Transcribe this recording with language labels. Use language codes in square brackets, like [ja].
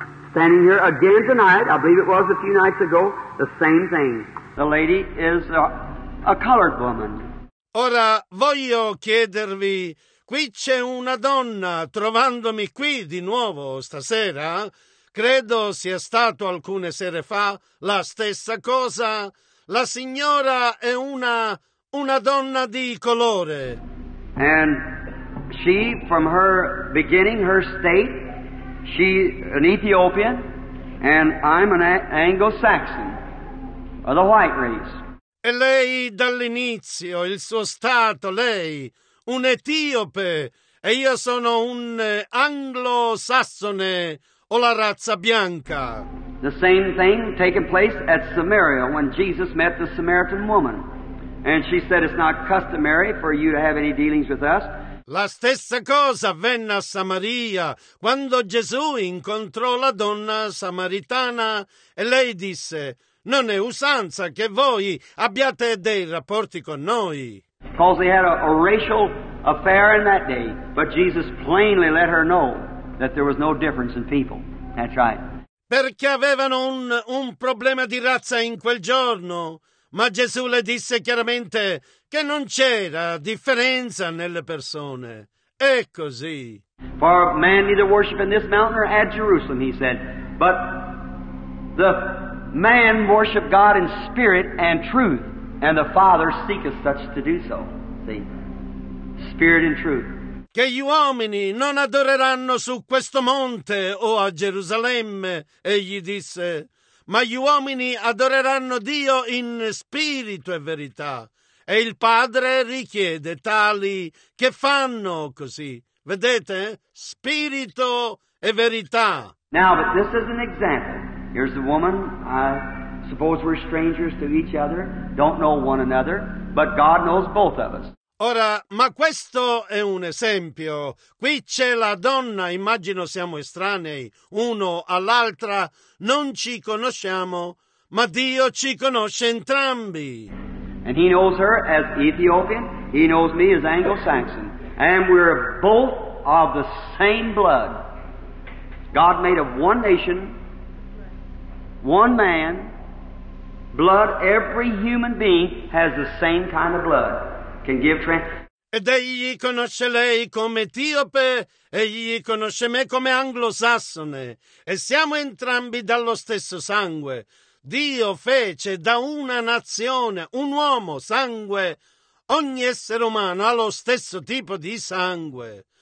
[en] Standing here again tonight, I believe it was a few nights ago, the same thing. The lady is a colored woman. [it] Ora voglio chiedervi, qui c'è una donna, trovandomi qui di nuovo stasera, credo sia stato alcune sere fa la stessa cosa, la signora è una donna di colore. [en] And she, from her beginning, her state, she's an Ethiopian, and I'm an Anglo-Saxon, of the white race. [it] E lei dall'inizio, il suo stato, lei, un etiope, e io sono un Anglo-Sassone, o la razza bianca. [en] The same thing taking place at Samaria when Jesus met the Samaritan woman. And she said, it's not customary for you to have any dealings with us. [it] La stessa cosa avvenne a Samaria, quando Gesù incontrò la donna samaritana, e lei disse, non è usanza che voi abbiate dei rapporti con noi. [en] Because they had a racial affair in that day, but Jesus plainly let her know that there was no difference in people. That's right. [it] Perché avevano un problema di razza in quel giorno, ma Gesù le disse chiaramente che non c'era differenza nelle persone. È così. [en] For man neither worship in this mountain or at Jerusalem, he said, but the man worship God in spirit and truth, and the Father seeketh such to do so. See? Spirit and truth. [it] Che gli uomini non adoreranno su questo monte o a Gerusalemme, egli disse, ma gli uomini adoreranno Dio in spirito e verità. E il Padre richiede tali che fanno così. Vedete? Spirito e verità. [en] Now, but this is an example. Here's the woman. I suppose we're strangers to each other, don't know one another, but God knows both of us. [it] Ora, ma questo è un esempio. Qui c'è la donna, immagino siamo estranei, uno all'altra, non ci conosciamo, ma Dio ci conosce entrambi. [en] And he knows her as Ethiopian, he knows me as Anglo-Saxon, and we're both of the same blood. God made of one nation, one man, blood, every human being has the same kind of blood. Can give [it] ed egli conosce lei come etiope, egli conosce me come anglosassone, e siamo entrambi dallo stesso sangue. Dio fece da una nazione, un uomo, sangue, ogni essere umano ha lo stesso tipo di sangue.